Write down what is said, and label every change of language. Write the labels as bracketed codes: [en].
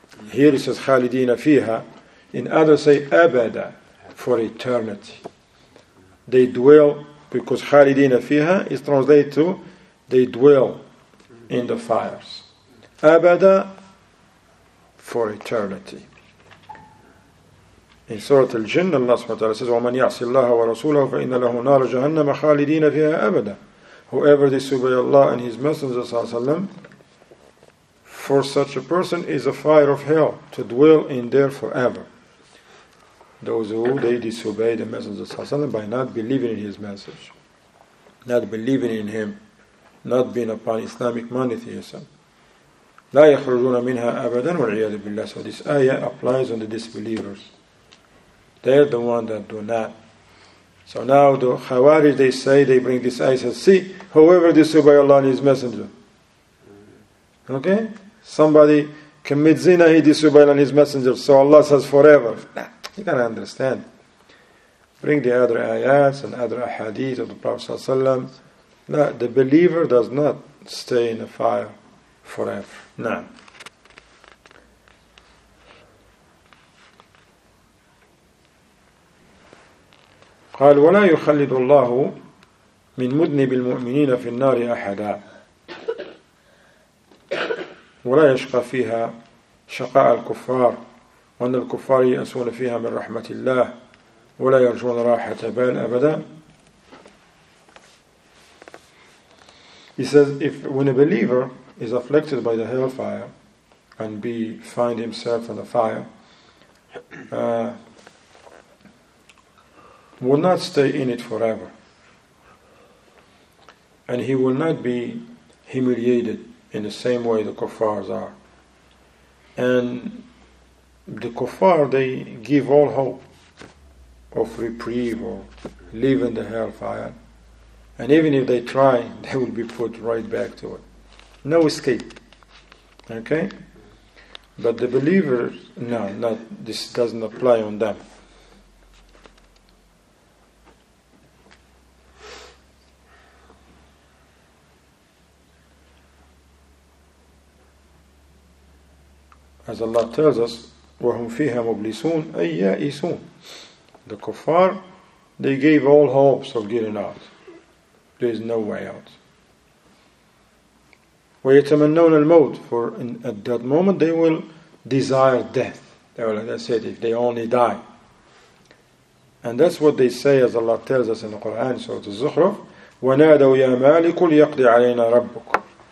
[en] Here it says, [ar] خَالِدِينَ فِيهَا. [en] In other say, أَبَدًا, for eternity. They dwell, because خَالِدِينَ فِيهَا is translated to, they dwell in the fires. أَبَدًا, for eternity. In Surah Al-Jinn, Allah subhanahu wa ta'ala says, [ar] وَمَنْ يَعْصِ اللَّهَ وَرَسُولَهُ فَإِنَّ لَهُ نَارَ جَهَنَّمَ خَالِدِينَ فِيهَا أَبَدًا. [en] Whoever disobeys Allah and His Messenger, for such a person is a fire of hell to dwell in there forever. Those who they disobey the Messenger by not believing in His message, not believing in Him, not being upon Islamic monotheism. [ar] لا يخرجون منها أبدا والعياذ بالله. [en] So this ayah applies on the disbelievers. They're the ones that do not. So now the Khawarij, they say, they bring this ayah, says, see, whoever disobey Allah and His Messenger. Okay? Somebody commits zina, he disobeys Allah and His Messenger. So Allah says forever. Nah, you gotta understand. Bring the other ayahs and other hadith of the Prophet ﷺ. Nah, the believer does not stay in the fire forever. Nah. [ar] قال ولا يخلد الله من مذنب المؤمنين في النار احدا ولا يشقى فيها شقاء الكفار وان الكفار يأسون فيها من رحمه الله ولا يرجون راحه بال ابدا. [en] He says, if when a believer is afflicted by the hellfire and be find himself in the fire, will not stay in it forever. And he will not be humiliated in the same way the kuffars are. And the kuffar, they give all hope of reprieve or leaving the hellfire. And even if they try, they will be put right back to it. No escape. Okay? But the believers, this doesn't apply on them. As Allah tells us, [ar] وَهُمْ فِيهَا مُبْلِسُونَ أَيْ يَأْئِسُونَ. [en] The kuffar, they gave all hopes of getting out. There is no way out. [ar] وَيَتَمَنَّوْنَ الْمَوْتِ. [en] For at that moment, they will desire death. They will, like I said, if they only die. And that's what they say, as Allah tells us in the Quran, Surah Al-Zukhruf, [ar] وَنَادَوْ يَا مَالِكُ لِيَقْضِ عَلَيْنَا رَبُّكُ.